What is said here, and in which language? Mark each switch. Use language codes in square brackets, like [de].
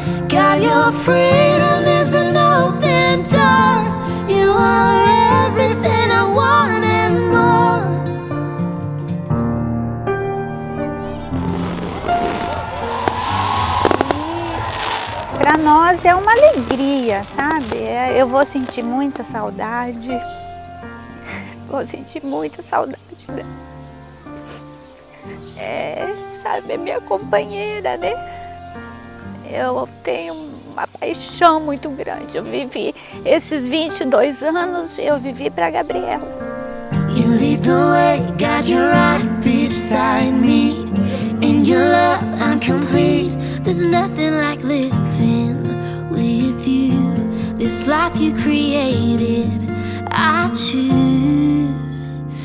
[en] God, your freedom is an open door. You are everything I want and more. [pt] Pra nós é uma alegria, sabe? Eu vou sentir muita saudade. Vou sentir muita saudade dela. É, sabe, é minha companheira, né? Eu tenho uma paixão muito grande. Eu vivi esses 22 anos, eu vivi para a Gabriela. [en] You lead the way, got your right beside me. In your love, I'm complete. There's nothing like living with you. This life you created, I choose.